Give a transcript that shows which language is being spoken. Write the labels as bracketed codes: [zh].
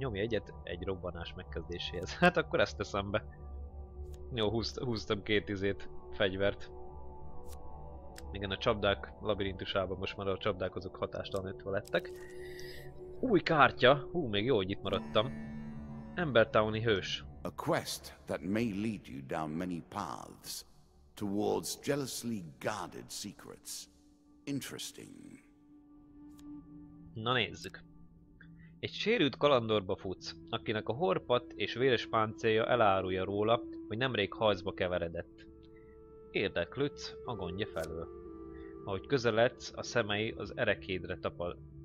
[hu] Nyomj egyet egy robbanás megkezdéséhez. Hát akkor ezt teszem be. Jó, húztam két izét, fegyvert. Igen, a csapdák labirintusában most már a csapdák azok hatástalanítva lettek. Új kártya! Hú, még jó, hogy itt maradtam. Embertowni hős. [en] A quest that may lead you down many paths towards jealously guarded secrets. Interesting. [hu] Na nézzük. Egy sérült kalandorba futsz, akinek a horpat és véres páncélja elárulja róla, hogy nemrég harcba keveredett. Érdeklődsz a gondja felől. Ahogy közeledsz, a szemei az erekédre tapad.